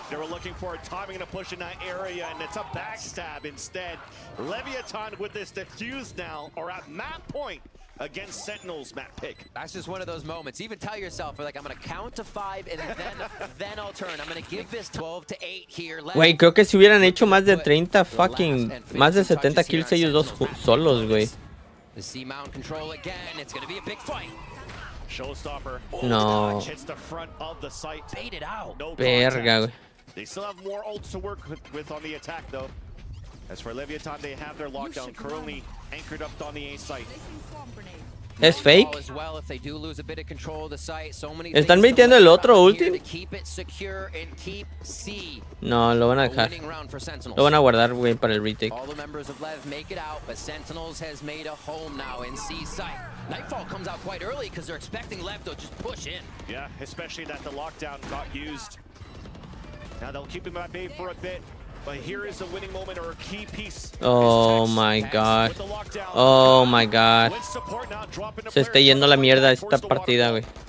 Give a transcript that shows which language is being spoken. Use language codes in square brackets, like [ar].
[en] They were looking for a timing to push in that area, and it's a backstab instead. Leviathan with this defuse now, or at map point against Sentinel's map pick. That's just one of those moments. Even tell yourself, you're like, I'm gonna count to five, and then then I'll turn. I'm gonna give this 12 to 8 here. [es] Güey, creo que si hubieran hecho más de 30 fucking, más de 70 kills ellos dos solos, güey. [en] The C-mount control again. It's gonna be a big fight. Showstopper. No. Hits the front of the site. Baited out. [es] No. Verga, güey. [en] They still have more ults to work with on the attack, though. As for Leviathan, they have their lockdown currently anchored up on the A site. [es] Es fake. [en] As well, if they do lose a bit of control of the site, so many. [es] Están metiendo el otro ulti. [en] Keep it secure and keep C. [es] No, lo van a dejar. Lo van a guardar, güey, para el retake. [en] All the members of LEV make it out, but Sentinels has made a home now in C site. Nightfall comes out quite early because they're expecting LEV to just push in. Yeah, especially that the lockdown got used. Now they'll keep him at bay for a bit, but here is the winning moment or a key piece. Oh my god. Oh my god. [es] Se está yendo la mierda esta partida, güey.